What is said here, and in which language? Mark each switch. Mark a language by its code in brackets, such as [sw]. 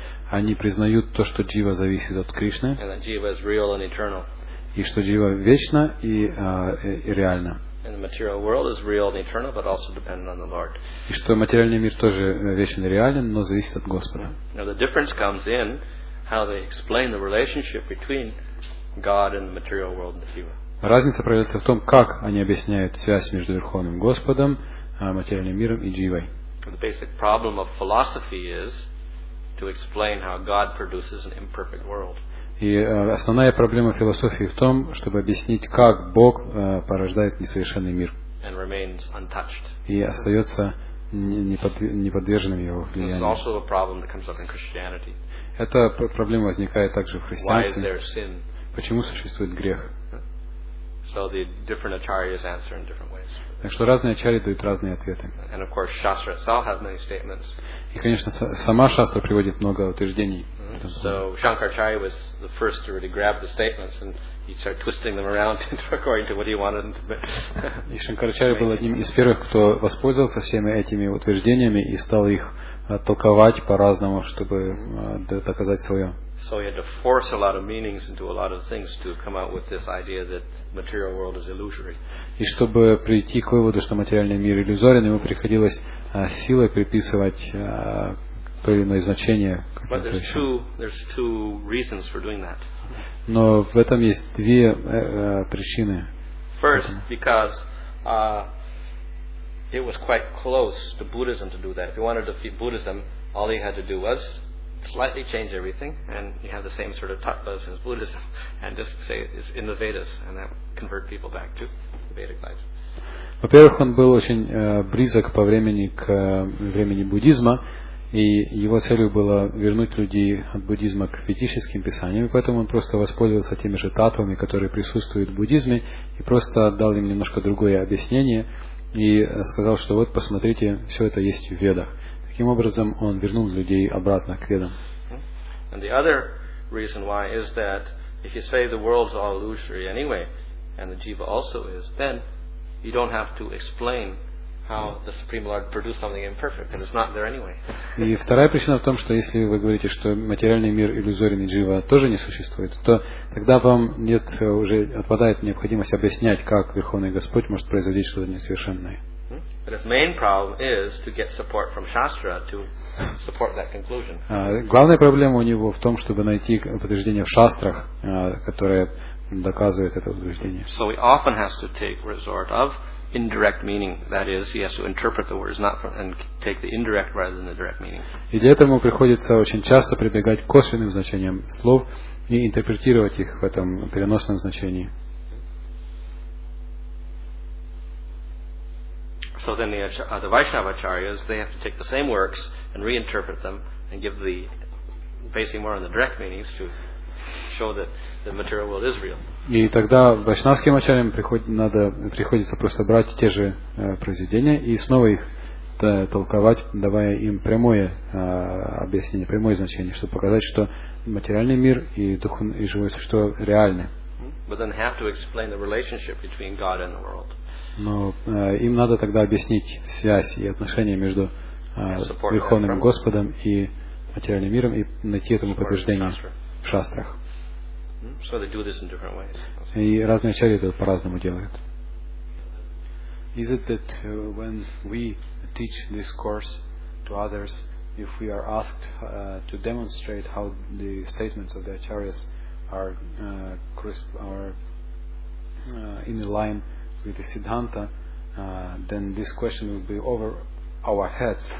[ru] Они признают то, что Джива зависит от Кришны. [en] And that Jiva is real and eternal. [ru] И что Джива вечна и реальна. [en] And the material world is real and eternal, but also dependent on the Lord. [ru] И что материальный мир тоже вечен и реален, но зависит от Господа. [en] Now the difference comes in how they explain the relationship between God and the material world and the jiva. [ru] Разница проявляется в том, как они объясняют связь между Верховным Господом, материальным миром и дживой. [en] The basic problem of philosophy is to explain how God produces an imperfect world. [ru] И основная проблема философии в том, чтобы объяснить, как Бог порождает несовершенный мир. [en] And remains untouched. [ru] И остается неподверженным его влиянию. [en] This is also a problem that comes up in Christianity. [ru] Эта проблема возникает также в христианстве. [en] Why is there sin? [ru] Почему существует грех? [en] So the different acharyas answer in different ways. [ru] Так что разные ачарьи дают разные ответы. [en] And of course, Shastra itself has many statements. [ru] И, конечно, сама Шастра приводит много утверждений. [en] So Shankaracharya was the first to really grab the statements and he started twisting them around according to what he wanted them to be. [ru] И Шанкарачарья был одним из первых, кто воспользовался всеми этими утверждениями и стал их толковать по-разному, чтобы доказать свое. [en] So he had to force a lot of meanings into a lot of things to come out with this idea that material world is illusory. [ru] И чтобы прийти к выводу, что материальный мир иллюзорен, ему приходилось силой приписывать то или иное значение. [en] But there's two reasons for doing that. [ru] Но в этом есть две причины. [en] First, because it was quite close to Buddhism to do that. If you wanted to defeat Buddhism, all you had to do was slightly change everything, and you have the same sort of tattvas as Buddhism, and just say it's in the Vedas, and that would convert people back to the Vedic life. [ru] Во-первых, он был очень близок по времени к времени буддизма, и его целью было вернуть людей от буддизма к ведическим писаниям, и поэтому он просто воспользовался теми же татвами, которые присутствуют в буддизме, и просто дал им немножко другое объяснение, и сказал, что вот посмотрите, все это есть в Ведах. Таким образом, он вернул людей обратно к ведам. [en] And the other reason why is that if you say the world's all illusory anyway, and the jiva also is, then you don't have to explain how the Supreme Lord produced something imperfect, and it's not there anyway. [ru] И вторая причина в том, что если вы говорите, что материальный мир иллюзорен и джива тоже не существует, то тогда вам нет уже отпадает необходимость объяснять, как Верховный Господь может произвести что-то несовершенное. [en] But his main problem is to get support from Shastra to support that conclusion. [ru] Главная проблема у него в том, чтобы найти подтверждение в шастрах, которое доказывает это утверждение. [en] So he often has to take resort of indirect meaning. That is, he has to interpret the words, not from, and take the indirect rather than the direct meaning. [ru] И для этого ему приходится очень часто прибегать к косвенным значениям слов и интерпретировать их в этом переносном значении. [en] So then the Vaishnava acharyas, they have to take the same works and reinterpret them and give the basically more on the direct meanings to show that the material world is real. [ru] И тогда вайшнавским ачарьям приходится просто брать те же произведения и снова их толковать, давая им прямое объяснение, прямое значение, чтобы показать, что материальный мир и дух и живое существо реальны. [en] But then have to explain the relationship between God and the world. [ru] Но им надо тогда объяснить связь и отношения между Верховным Господом и материальным миром и найти этому подтверждение в шастрах. [en] So they do this in different ways. [ru] И разные ачарьи это по-разному делают. [en] Is it that when we teach this course to others, if we are asked to demonstrate how the statements of the acharyas are crisp or in the line with the Siddhanta, then this question will be over our heads.